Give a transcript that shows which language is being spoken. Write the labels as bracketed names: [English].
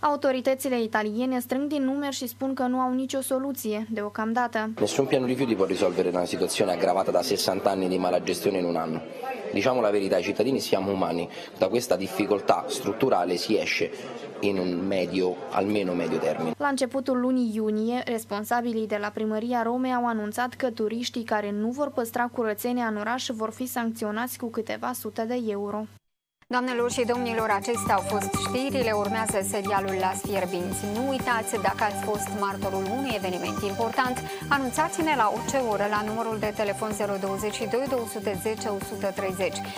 [Romanian] Autoritățile italiene strâng din numeri și spun că nu au nicio soluție deocamdată. [Italian] Nessun piano rifiuti può risolvere una situazione aggravata da 60 anni di mala gestione in un anno. Diciamo la verità, i cittadini siamo umani. Da questa difficoltà strutturale si esce in un medio, almeno medio termine. [Romanian] La începutul lunii iunie, responsabilii de la primăria Romei au anunțat că turiștii care nu vor păstra curățenia în oraș vor fi sancționați cu câteva sute de euro. Doamnelor și domnilor, acestea au fost știrile, urmează serialul Las Fierbinți. Nu uitați, dacă ați fost martorul unui eveniment important, anunțați-ne la orice oră la numărul de telefon 022 210 130.